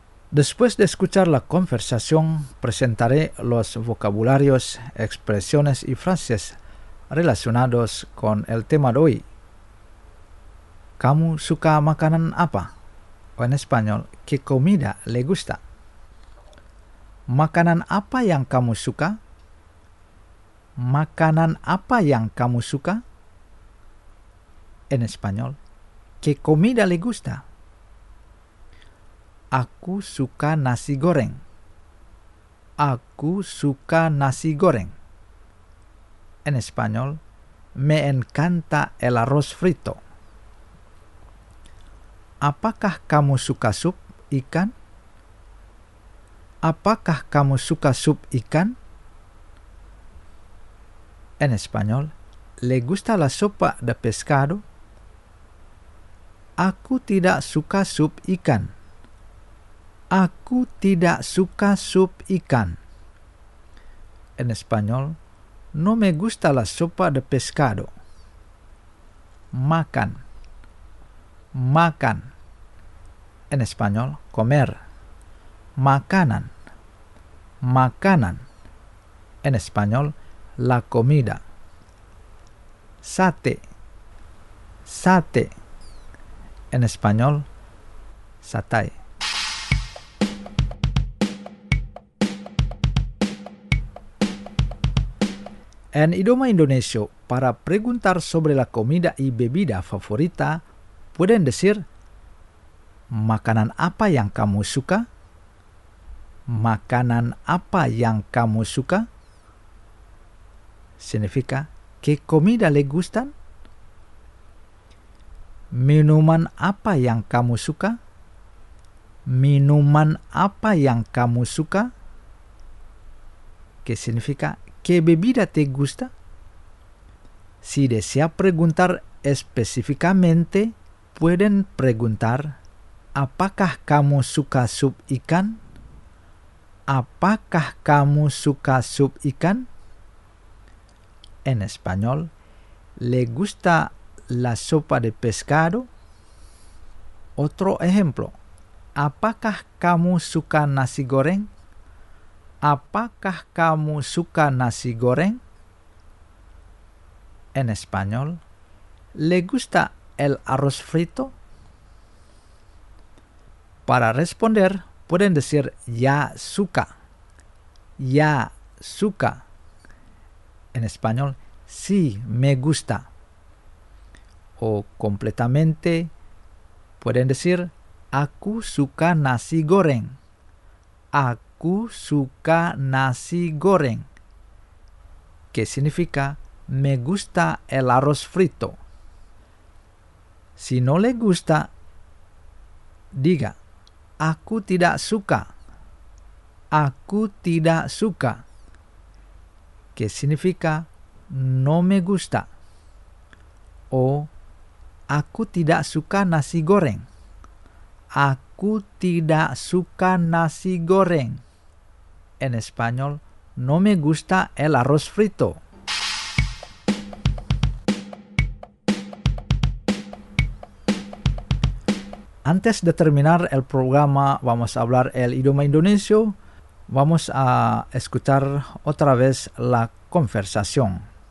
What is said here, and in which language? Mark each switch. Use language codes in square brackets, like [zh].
[es] Después de escuchar la conversación, presentaré los vocabularios, expresiones y frases relacionados con el tema de hoy. [id] ¿Kamu suka makanan apa? [es] O en español, ¿qué comida le gusta? [id] ¿Makanan apa yang kamu suka? ¿Makanan apa yang kamu suka? [es] En español, ¿qué comida le gusta? [id] Aku suka nasi goreng. Aku suka nasi goreng. [es] En español, me encanta el arroz frito. [id] Apakah kamu suka sup ikan? Apakah kamu suka sup ikan? [es] En español, le gusta la sopa de pescado? [id] Aku tidak suka sup ikan. Aku tidak suka sup ikan. [es] En español, no me gusta la sopa de pescado. [id] Makan. Makan. [es] En español, comer. [id] Makanan. Makanan. [es] En español, la comida. Sate. Sate. En español, satay. En idioma indonesio, para preguntar sobre la comida y bebida favorita, pueden decir [id] ¿Makanan apa yang kamu suka? ¿Makanan apa yang kamu suka? [es] Significa ¿Qué comida le gustan? [id] ¿Minuman apa yang kamu suka? ¿Minuman apa yang kamu suka? [es] ¿Qué significa ¿Qué bebida te gusta? Si desea preguntar específicamente, pueden preguntar [id] ¿Apakah kamu suka sup ikan? ¿Apakah kamu suka sup ikan? [es] En español, ¿Le gusta la sopa de pescado? Otro ejemplo, [id] ¿Apakah kamu suka nasi goreng? ¿Apakah kamu suka nasi goreng? [es] En español, ¿le gusta el arroz frito? Para responder, pueden decir [id] ya suka. Ya suka. [es] En español, Sí, me gusta. O completamente, pueden decir, [id] aku suka nasi goreng. Aku suka nasi goreng. [es] Que significa, me gusta el arroz frito. Si no le gusta, diga, [id] aku tidak suka. Aku tidak suka. [es] Que significa, no me gusta. [id] O, aku tidak suka nasi goreng. Aku tidak suka nasi goreng. [es] En español, no me gusta el arroz frito. Antes de terminar el programa, vamos a hablar el idioma indonesio. Vamos a escuchar otra vez la conversación.